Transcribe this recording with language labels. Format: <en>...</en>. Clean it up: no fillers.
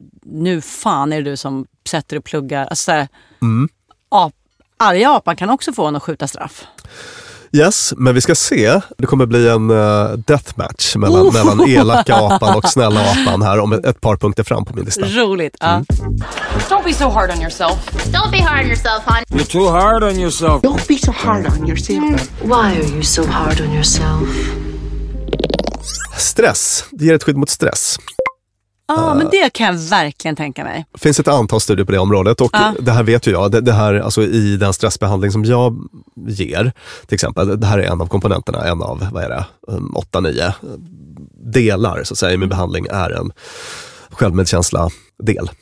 <sv>Nu fan är det du som sätter och pluggar. Alltså såhär, arga apan kan också få en att skjuta straff. Yes, men vi ska se. Det kommer bli en deathmatch mellan elaka apan och snälla apan här om ett par punkter fram på min lista. Roligt, ja.</sv> <en>Don't be so hard on yourself. Don't be hard on yourself, hon. You're too hard on yourself. Don't be so hard on yourself. Why are you so hard on yourself?</en> <sv>Stress. Det ger ett skydd mot stress. Ja, men det kan jag verkligen tänka mig. Det finns ett antal studier på det området och det här vet ju jag. Det här, alltså i den stressbehandling som jag ger till exempel, det här är en av komponenterna, en av, vad är det, 8-9 delar så att säga i min behandling är en självmedkänsla del.</sv>